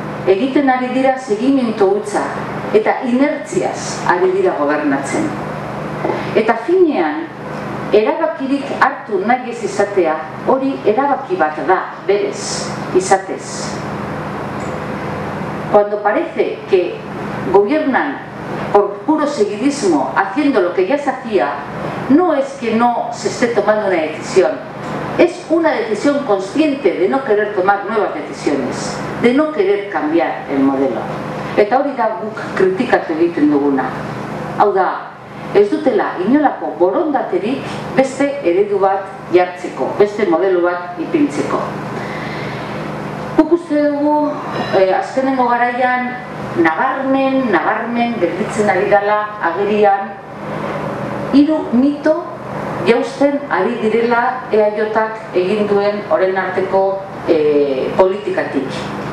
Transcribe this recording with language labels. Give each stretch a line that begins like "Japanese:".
Basque: Egiten ari dira segimiento hutsa, eta inertziaz ari dira gobernatzen. Eta finean, erabakirik hartu nahi ez izatea, hori erabaki bat da, berez, izatez.
Spanish: Cuando parece que gobiernan por puro seguidismo, haciendo lo que ya se hacía, no es que no se esté tomando una decisión, es una decisión consciente de no querer tomar nuevas decisiones, de no querer cambiar el modelo.
Basque: Eta hori da guk kritikatu egiten duguna. Hau da, ez dutela inolako borondaterik beste eredu bat jartzeko, beste modelo bat ipintzeko. Guk uste dugu, azkenengo garaian, nabarmen, gelditzen ari dela agerian, hiru mito jausten ari direla EAJ-ak egin duen orain arteko politikatik.